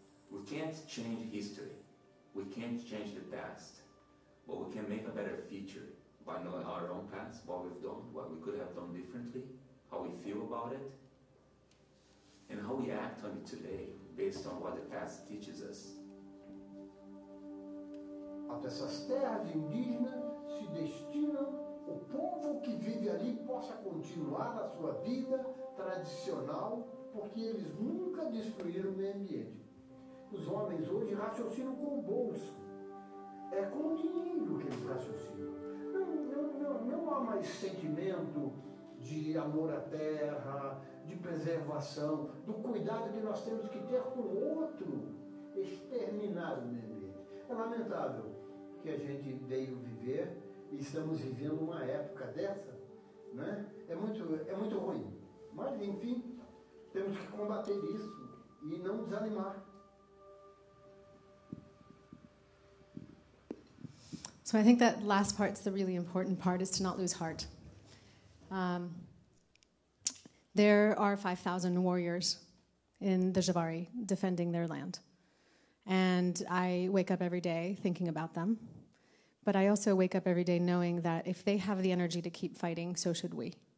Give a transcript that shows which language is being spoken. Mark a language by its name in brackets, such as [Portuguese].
[English] We can't change history. We can't change the past. But we can make a better future by knowing our own past, what we've done, what we could have done differently, how we feel about it, and how we act on it today based on what the past teaches us. [Portuguese] Até essas terras indígenas se destinam, o povo que vive ali possa continuar a sua vida tradicional, porque eles nunca destruíram o meio ambiente. Os homens hoje raciocinam com o bolso. É com o dinheiro que eles raciocinam. Não há mais sentimento de amor à terra, de preservação, do cuidado que nós temos que ter com o outro, exterminar o meio ambiente. É lamentável que a gente veio viver e estamos vivendo uma época dessa, né? É muito ruim. Mas, enfim, temos que combater isso e não desanimar. [English] So I think that last part's the really important part, is to not lose heart. There are 5,000 warriors in the Javari defending their land. And I wake up every day thinking about them. But I also wake up every day knowing that if they have the energy to keep fighting, so should we.